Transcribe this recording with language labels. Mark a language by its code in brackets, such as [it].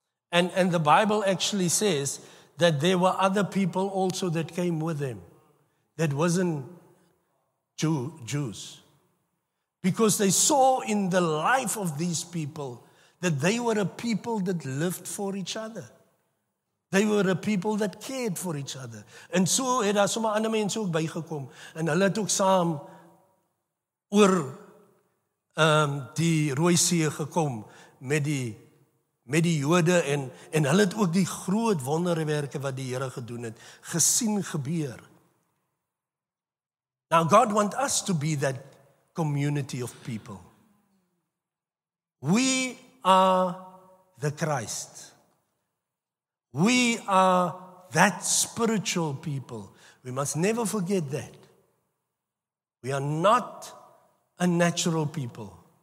[en] And the Bible actually says that there were other people also that came with them that wasn't Jews. Because they saw in the life of these people that they were a people that lived for each other. They were a people that cared for each other. [af] And so het daar sommer ander mense ook bygekom. En hulle het ook saam oor die Rooi See gekom met die Jode. En hulle het ook die groot wonderwerke wat die Here gedoen het, gesien gebeur. [en] Now God want us to be that community of people. We are the Christ. We are that spiritual people. We must never forget that. We are not a natural people.